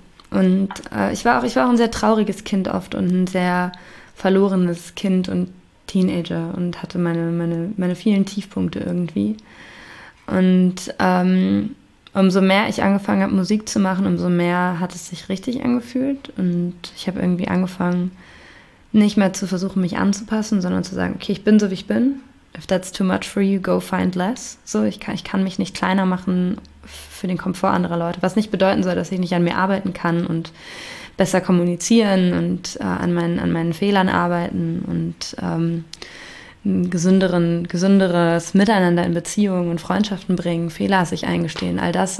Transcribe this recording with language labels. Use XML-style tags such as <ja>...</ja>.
<de>Und ich war auch ein sehr trauriges Kind oft und ein sehr verlorenes Kind und Teenager und hatte meine vielen Tiefpunkte irgendwie. Und umso mehr ich angefangen habe, Musik zu machen, umso mehr hat es sich richtig angefühlt. Und ich habe irgendwie angefangen, nicht mehr zu versuchen, mich anzupassen, sondern zu sagen, okay, ich bin so, wie ich bin.</de> <en>if that's too much for you, go find less.</en> <de>So ich kann mich nicht kleiner machen für den Komfort anderer Leute. Was nicht bedeuten soll, dass ich nicht an mir arbeiten kann und besser kommunizieren und an meinen Fehlern arbeiten und ein gesünderes Miteinander in Beziehungen und Freundschaften bringen, Fehler sich eingestehen, all das.</de>